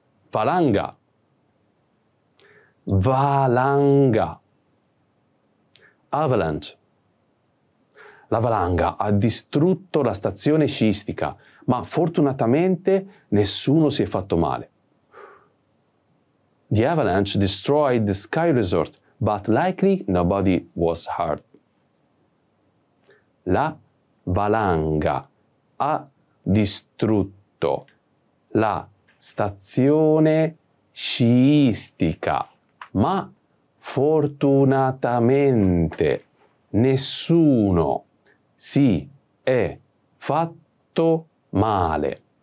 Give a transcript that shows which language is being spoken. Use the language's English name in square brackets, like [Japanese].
[Italian] Valanga. Valanga. [English] Avalanche. [Italian] La valanga ha distrutto la stazione sciistica, ma fortunatamente nessuno si è fatto male. [English] The avalanche destroyed the ski resort, but likely nobody was hurt. [Italian] La valanga ha distrutto la stazione sciistica, ma fortunatamente nessuno si è fatto male.